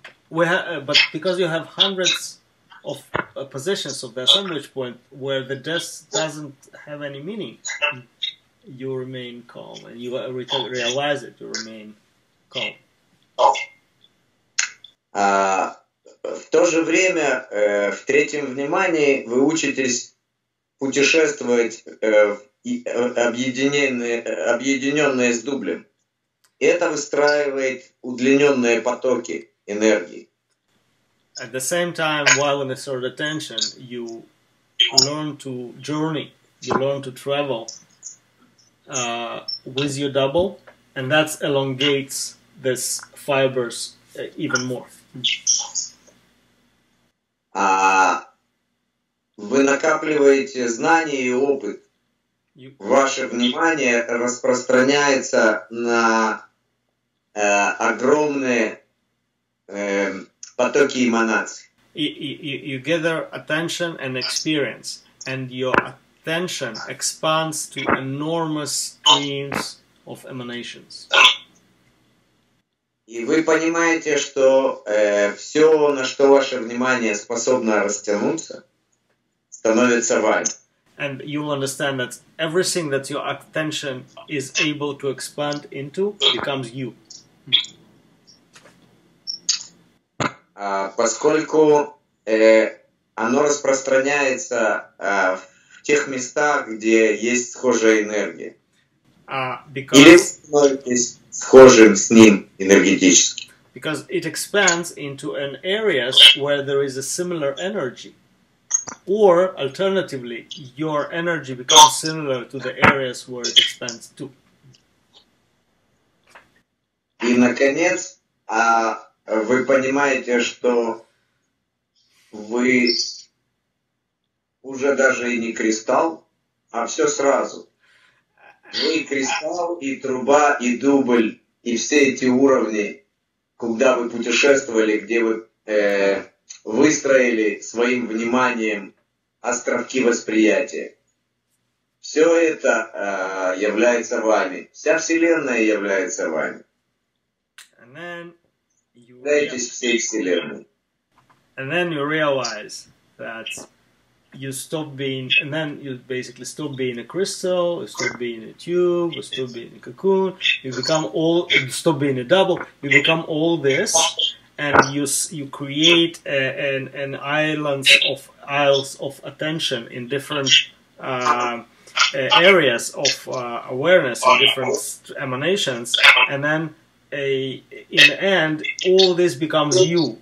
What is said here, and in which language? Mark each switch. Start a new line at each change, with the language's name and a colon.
English: But because you have hundreds of positions of the assemblage point where the death doesn't have any meaning, you remain calm and you realize it, you remain calm.
Russian: В то же время, в третьем внимании вы учитесь путешествовать объединенные с дублем. Это выстраивает удлиненные потоки энергии.
English: At the same time, while in a sort of attention, you learn to journey, you learn to travel with your double, and that elongates these fibers even more.
Russian: Вы накапливаете знания и опыт. Ваше внимание распространяется на огромные потоки эманаций.
English: You gather attention and experience, and your attention expands to enormous streams of emanations.
Russian: И вы понимаете, что все, на что ваше внимание способно растянуться, становится вами.
English: And you will understand that everything that your attention is able to expand into becomes you.
Russian: Поскольку оно распространяется в тех местах, где есть схожая энергия.
English: Because...
Russian: Или становитесь схожим с ним энергетически.
English: Because it expands into an area where there is a similar energy. Or, alternatively, your energy becomes similar to the areas where it expands to.
Russian: И, наконец, вы понимаете, что вы уже даже и не кристалл, а все сразу. Вы и кристалл, и труба, и дубль, и все эти уровни, куда вы путешествовали, где вы выстроили своим вниманием островки восприятия. Все это является вами. Вся Вселенная является вами. Являетесь всей Вселенной.
English: And then you realize that you stop being, and then you basically stop being a crystal, you stop being a tube, you stop being a cocoon, you become all, you stop being a double, you become all this. And you create an isles of attention in different areas of awareness, in different emanations, and then in the end, all this becomes you.